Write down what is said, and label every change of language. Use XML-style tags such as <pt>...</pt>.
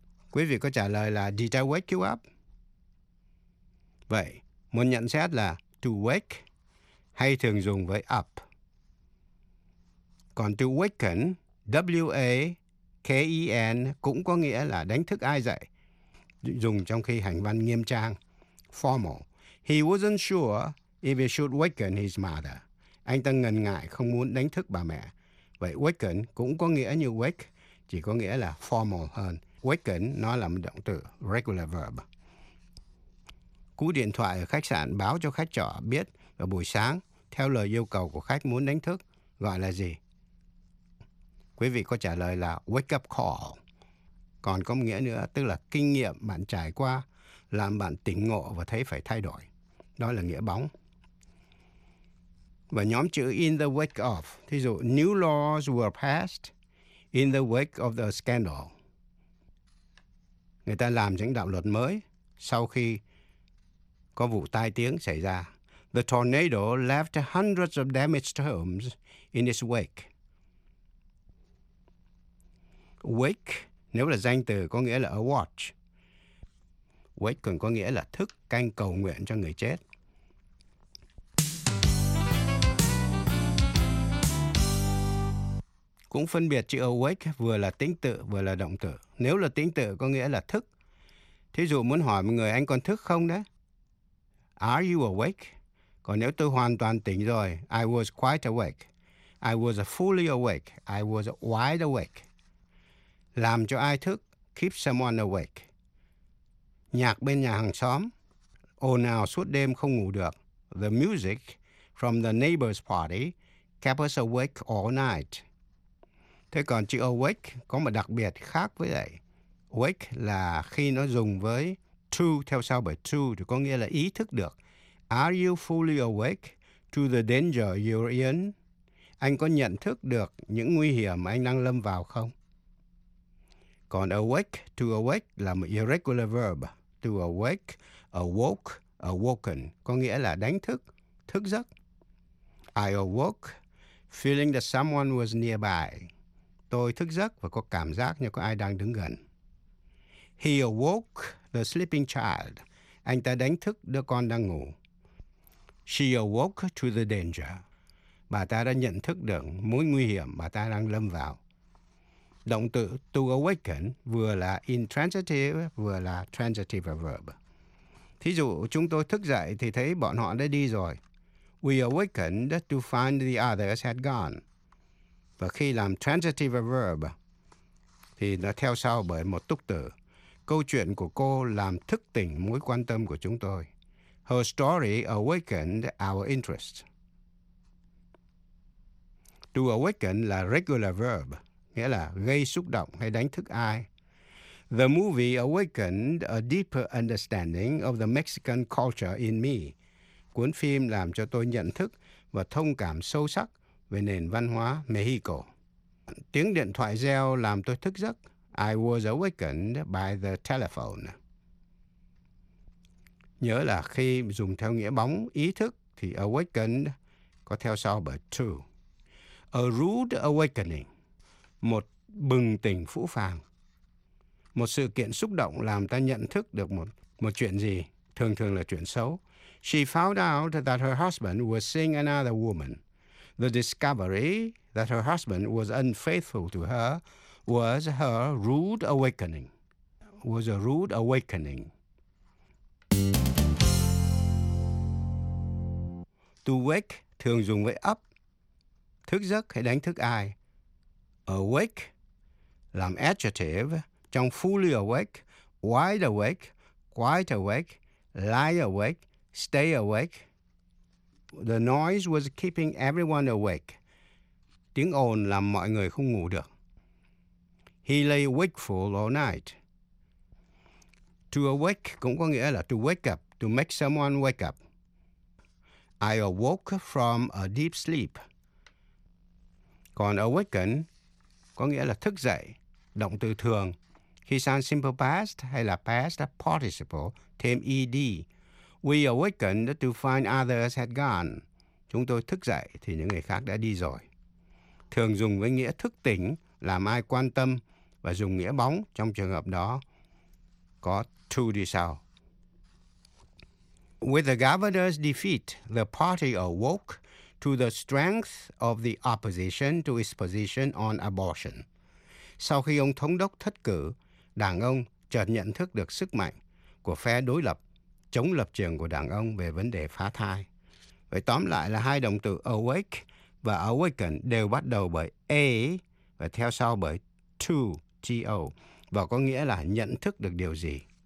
<vi>Quý vị có trả lời là,</vi> <en>did I wake you up?</en> <vi>Vậy, một nhận xét là, to wake hay thường dùng với up. Còn to waken, W-A-K-E-N, cũng có nghĩa là đánh thức ai dậy. Dùng trong khi hành văn nghiêm trang, formal.</vi> <en>He wasn't sure if he should waken his mother.</en> <vi>Anh ta ngần ngại không muốn đánh thức bà mẹ. Vậy waken cũng có nghĩa như wake, chỉ có nghĩa là formal hơn. Waken nó là một động từ, regular verb. Cú điện thoại ở khách sạn báo cho khách trọ biết vào buổi sáng, theo lời yêu cầu của khách muốn đánh thức, gọi là gì? Quý vị có trả lời là wake up call. Còn có nghĩa nữa, tức là kinh nghiệm bạn trải qua làm bạn tỉnh ngộ và thấy phải thay đổi. Đó là nghĩa bóng. Và nhóm chữ</vi> <en>in the wake of,</en> <vi>thí dụ</vi> <en>new laws were passed in the wake of the scandal.</en> <vi>Người ta làm những đạo luật mới sau khi có vụ tai tiếng xảy ra.</vi> <en>The tornado left hundreds of damaged homes in its wake.</en> <vi>Wake, nếu là danh từ, có nghĩa là</vi> <en>a watch.</en> <vi>Wake còn có nghĩa là thức, canh cầu nguyện cho người chết. Cũng phân biệt chữ awake vừa là tính tự vừa là động từ. Nếu là tính tự có nghĩa là thức. Thí dụ muốn hỏi một người anh còn thức không đấy?</vi> <en>Are you awake?</en> <vi>Còn nếu tôi hoàn toàn tỉnh rồi,</vi> <en>I was quite awake. I was fully awake. I was wide awake.</en> <vi>Làm cho ai thức,</vi> <en>keep someone awake.</en> <vi>Nhạc bên nhà hàng xóm, ồn ào suốt đêm không ngủ được.</vi> <en>The music from the neighbor's party kept us awake all night.</en> <vi>Thế còn chữ awake có một đặc biệt khác với vậy. Wake là khi nó dùng với to, theo sau bởi to thì có nghĩa là ý thức được.</vi> <en>Are you fully awake to the danger you're in?</en> <vi>Anh có nhận thức được những nguy hiểm mà anh đang lâm vào không? Còn awake, to awake là một irregular verb. To awake, awoke, awoken có nghĩa là đánh thức, thức giấc.</vi> <en>I awoke Feeling that someone was nearby.</en> <vi>Tôi thức giấc và có cảm giác như có ai đang đứng gần.</vi> <en>He awoke the sleeping child.</en> <vi>Anh ta đánh thức đứa con đang ngủ.</vi> <en>She awoke to the danger.</en> <vi>Bà ta đã nhận thức được mối nguy hiểm bà ta đang lâm vào. Động từ to awaken vừa là intransitive vừa là transitive verb. Thí dụ, chúng tôi thức dậy thì thấy bọn họ đã đi rồi.</vi> <en>We awakened to find the others had gone.</en> <vi>Và khi làm transitive verb, thì nó theo sau bởi một túc từ. Câu chuyện của cô làm thức tỉnh mối quan tâm của chúng tôi.</vi> <en>Her story awakened our interest.</en> <vi>To awaken là regular verb, nghĩa là gây xúc động hay đánh thức ai.</vi> <en>The movie awakened a deeper understanding of the Mexican culture in me.</en> <vi>Cuốn phim làm cho tôi nhận thức và thông cảm sâu sắc về nền văn hóa Mexico. Tiếng điện thoại reo làm tôi thức giấc.</vi> <en>I was awakened by the telephone.</en> <vi>Nhớ là khi dùng theo nghĩa bóng ý thức thì awakened có theo sau bởi to.</vi> <en>A rude awakening.</en> <vi>Một bừng tỉnh phũ phàng. Một sự kiện xúc động làm ta nhận thức được một chuyện gì, thường thường là chuyện xấu.</vi> <en>She found out that her husband was seeing another woman. The discovery that her husband was unfaithful to her was her rude awakening. Was a rude awakening.</en> <vi>To wake thường dùng với up. Thức giấc hay đánh thức ai. Awake làm adjective. Trong</vi> <en>fully awake, wide awake, quite awake, lie awake, stay awake. The noise was keeping everyone awake.</en> <vi>Tiếng ồn làm mọi người không ngủ được.</vi> <en>He lay wakeful all night. To awake</en> <vi>cũng có nghĩa là</vi> <en>to wake up, to make someone wake up. I awoke from a deep sleep.</en> <vi>Còn awaken có nghĩa là thức dậy, động từ thường. Khi sang simple past hay là past participle, thêm ed.</vi> <en>We awakened to find others had gone.</en> <vi>Chúng tôi thức dậy thì những người khác đã đi rồi. Thường dùng với nghĩa thức tỉnh, làm ai quan tâm và dùng nghĩa bóng trong trường hợp đó. Có to đi sau.</vi> <en>With the governor's defeat, the party awoke to the strength of the opposition to its position on abortion.</en> <vi>Sau khi ông thống đốc thất cử, đảng ông chợt nhận thức được sức mạnh của phe đối lập chống lập trường của đảng ông về vấn đề phá thai. Vậy tóm lại là hai động từ awake và awaken đều bắt đầu bởi a và theo sau bởi to, T-O, và có nghĩa là nhận thức được điều gì.</vi>